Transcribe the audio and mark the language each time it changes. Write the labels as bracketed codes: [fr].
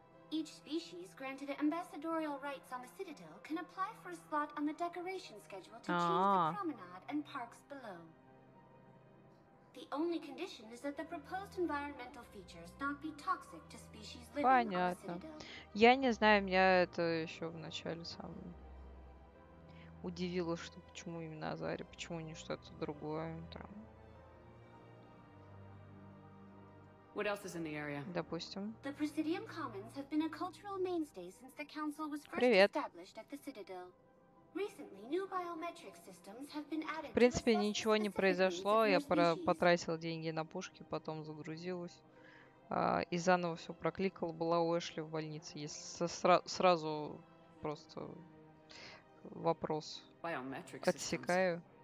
[en] Each species granted ambassadorial rights on the Citadel can apply for a slot on the decoration schedule to change the promenade and parks below. The only condition is that the proposed environmental features not be toxic to species living on the Citadel. [ru] Я не знаю, меня это еще в начале сам удивило, что почему именно Азари, почему не что-то другое там. [en] What else is in the area? [ru] Допустим. [en] The Presidium Commons have been a cultural mainstay since the Council was first established at the Citadel. Recently, new biometric systems have been added. [ru] В принципе, ничего не произошло. Я потратил деньги на пушки, потом загрузилась. и заново все прокликала, была у Эшли в больнице. Если сразу просто вопрос отсекаю.